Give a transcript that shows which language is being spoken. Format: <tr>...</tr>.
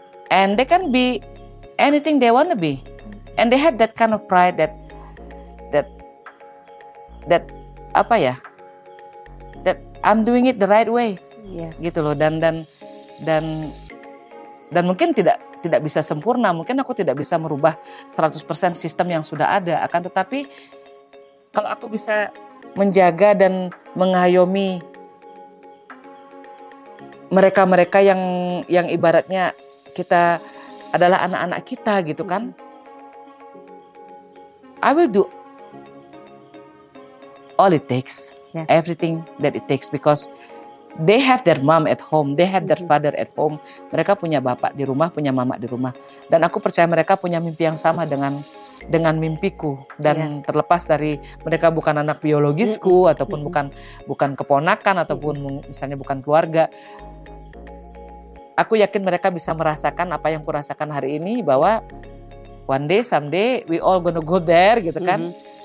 <en>And they can be anything they want to be. And they have that kind of pride that</en> <id>apa ya?</id> <en>That I'm doing it the right way. Yeah.</en> <id>Gitu loh. Dan mungkin tidak bisa sempurna. Mungkin aku tidak bisa merubah 100% sistem yang sudah ada. Akan tetapi kalau aku bisa menjaga dan mengayomi mereka-mereka yang ibaratnya kita adalah anak-anak kita gitu kan.</id> <en>I will do all it takes, yeah, everything that it takes, because they have their mom at home, they have their father at home.</en> <id>Mereka punya bapak di rumah, punya mama di rumah. Dan aku percaya mereka punya mimpi yang sama dengan mimpiku. Dan yeah, terlepas dari mereka bukan anak biologisku, mm-hmm, ataupun bukan keponakan, ataupun misalnya bukan keluarga. Aku yakin mereka bisa merasakan apa yang kurasakan hari ini, bahwa</id> <en>one day, someday, we all gonna go there,</en> <id>gitu kan. Mm-hmm.</id>